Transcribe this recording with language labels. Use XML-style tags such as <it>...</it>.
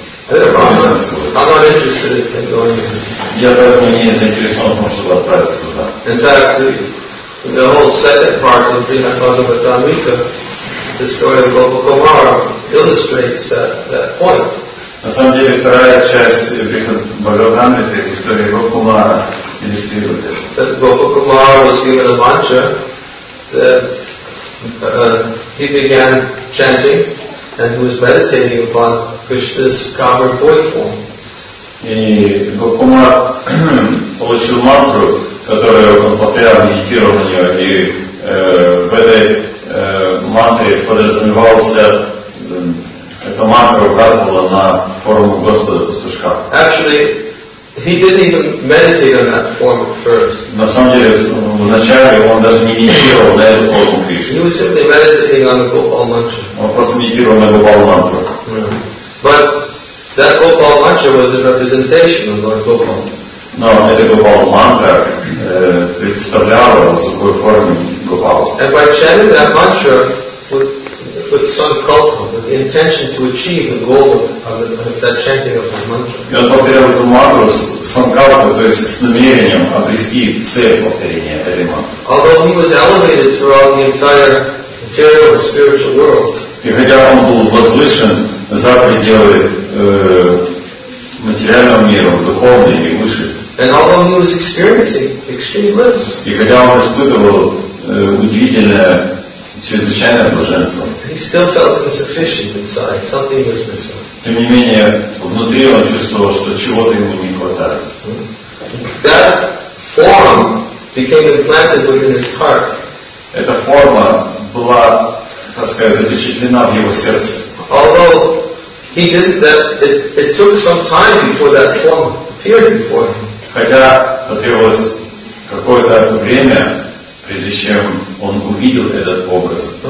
<ru>Я даже не заинтересован в том, чтобы отправиться туда.</ru> <en>The whole second part of Srimad Bhagavatamrita, the story of Gopakumara, illustrates that point.</en> <ru>На самом деле, вторая часть Srimad Bhagavatamrita, история Gopakumara,</ru> <en>illustrated it. That Gopakumara was given a mantra, that he began chanting, and he was meditating upon Krishna's covered boy form.</en> <ru>И Gopakumara получил мантру, которую он повторял, медитировал на нее, и в этой мантре подразумевался, эта мантра указывала на форму Господа пастушка.</ru> <en>Actually, he didn't even meditate on that form at first.</en> <ru>На самом деле, вначале он даже не медитировал на эту форму Кришны.</ru> <en>He was simply meditating on the Gopal mantra.</en> <ru>Он просто медитировал на Gopal mantra.</ru> <en>But that Gopal mantra was a representation of Lord Gopal.</en> <ru>Но эта Gopal mantra представляла собой форму Гопала.</ru> <en>And by chanting that mantra with some kalpa, with the intention to achieve the goal of that chanting of the mantra.</en> <ru>И он повторял эту мантру с санкалпой, то есть с намерением обрести цель повторения этой мантры.</ru> <en>Although he was elevated throughout the entire material and spiritual world.</en> <ru>И хотя он был возвышен за пределы материального мира, духовный и выше.</ru> <en>And although he was experiencing extreme bliss,</en> <ru>и хотя он испытывал удивительное, чрезвычайное блаженство,</ru> <en>he still felt insufficient inside. Something was missing.</en> <ru>Тем не менее, внутри он чувствовал, что чего-то ему не хватает.</ru> <en>That form became implanted within his heart.</en> <ru>Эта форма была, так сказать, запечатлена в его сердце.</ru> <en>Although he didn't, that it took some time before that form appeared before him.</en> <ru>Хотя потребовалось какое-то время, прежде чем он увидел этот образ</ru>